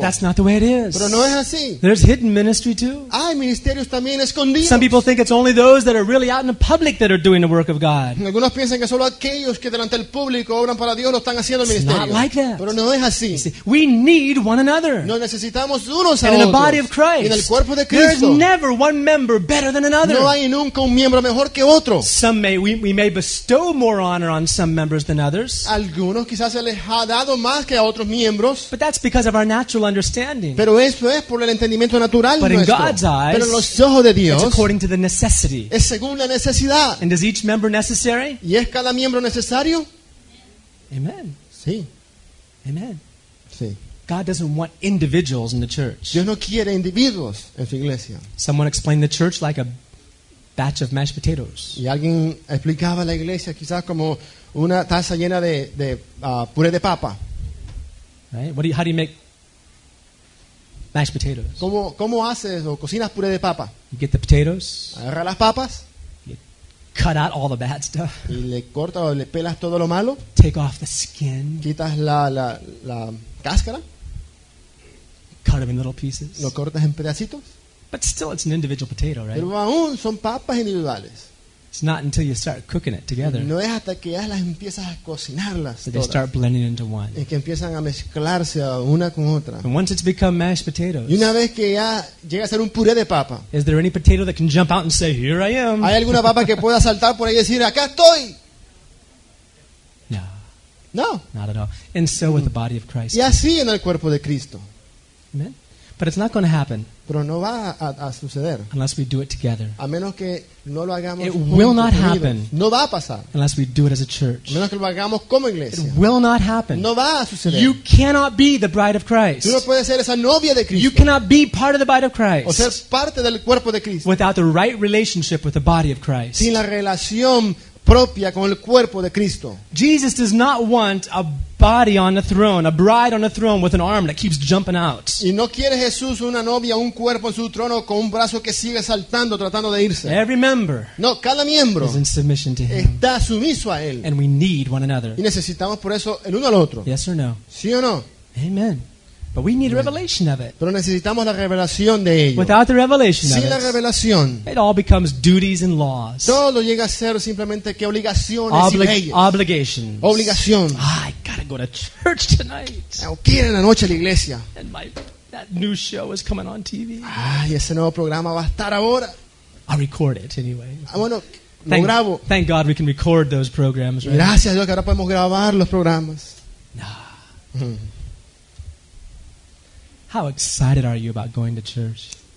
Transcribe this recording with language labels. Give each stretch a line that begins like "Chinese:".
English: That's not the way it is.
Spanish: Pero no es así.
English: There's hidden ministry too.
Spanish: Hay ministerios también escondidos.
English: Some people think it's only those that are really out in the public that are doing the work of God.
Spanish: Algunos piensan que solo aquellos que delante del público obran para Dios lo están haciendo el ministerio.
English: It's not like that.
Spanish: Pero no es así.
English: See, we need one another.
Spanish: Nos necesitamos unos a otros.
English: In the body of Christ.
Spanish: En el cuerpo de Cristo.
English: There's never one member better than another.
Spanish: No hay nunca un miembro mejor que otro.
English: Some may we may bestow more honor on some members than others.
Spanish: Algunos quizás se les ha dado más que a otros miembros.
English: But that's because of our natural understanding. understanding.
Spanish: Pero eso es por el entendimiento natural
English: but
Spanish: nuestro.
English: In God's eyes,
Spanish: pero en los ojos de Dios,
English: it's according to the necessity.
Spanish: Es según la necesidad.
English: And is each member necessary?
Spanish: ¿Y es cada miembro necesario?
English: Amen.
Spanish: Sí.
English: Amen.
Spanish: Sí.
English: God doesn't want individuals in the church.
Spanish: Dios no quiere individuos en su iglesia.
English: Someone explained the church like a batch of mashed potatoes.
Spanish: Y alguien explicaba la iglesia quizás como una taza llena de puré de papa.
English: Right? How do you make mashed potatoes?
Spanish: ¿Cómo haces o cocinas puré de papa?
English: You get the potatoes.
Spanish: Agarra las papas.
English: You cut out all the bad stuff.
Spanish: Y le cortas o le pelas todo lo malo.
English: Take off the skin.
Spanish: Quitas la cáscara.
English: Cut them in little pieces.
Spanish: Lo cortas en pedacitos.
English: But still, it's an individual potato, right?
Spanish: Pero aún son papas individuales.
English: It's not until you start cooking it together.
Spanish: No es hasta que ya las empiezas a cocinarlas.
English: They start blending into one.
Spanish: Y que empiezan a mezclarse una con otra.
English: And once it's become mashed potatoes.
Spanish: Y una vez que ya llega a ser un puré de papa.
English: Is there any potato that can jump out and say, "Here I am"?
Spanish: ¿Hay alguna papa que pueda saltar por ahí y decir, "Acá estoy"?
English: No.
Spanish: No.
English: Not at all. And so with the body of Christ.
Spanish: Y así en el cuerpo de Cristo.
English: Amen. But it's not going to happen.
Spanish: Pero no va a suceder.
English: Unless we do it together.
Spanish: A menos que no lo hagamos
English: it will not happen.
Spanish: No va a pasar.
English: Unless we do it as a church.
Spanish: A menos que lo hagamos como iglesia.
English: It will not happen.
Spanish: No va a suceder.
English: You cannot be the bride of Christ.
Spanish: Tú no puedes ser esa novia de Cristo.
English: You cannot be part of the bride of Christ.
Spanish: O ser parte del cuerpo de Cristo.
English: Without the right relationship with the body of Christ.
Spanish: Sin la relación propia con el cuerpo de Cristo.
English: Jesus does not want a body on a throne, a bride on a throne with an arm that keeps jumping out.
Spanish: Y no quiere Jesús una novia, un cuerpo en su trono con un brazo que sigue saltando, tratando de irse.
English: Every member.
Spanish: No, cada miembro.
English: Is in submission to him.
Spanish: Está sumiso a él.
English: And we need one another.
Spanish: Y necesitamos por eso el uno al otro.
English: Yes or no?
Spanish: Sí o no?
English: Amen. But we need a revelation of it.
Spanish: Pero necesitamos la revelación de ello.
English: Without the revelation
Spanish: sin
English: of it,
Spanish: la revelación,
English: it all becomes duties and laws.
Spanish: Todo llega a ser simplemente que obligaciones y leyes.
English: Obligations.
Spanish: Obligación.
English: I gotta go to church tonight.
Spanish: Tengo que ir en la noche a la iglesia.
English: And that new show is coming on TV.
Spanish: Ay, ese nuevo programa va a estar ahora.
English: I'll record it anyway.
Spanish: Bueno, grabo.
English: Thank God we can record those programs. Right?
Spanish: Gracias a Dios que ahora podemos grabar los programas.
English: Nah. How excited are you about going to church?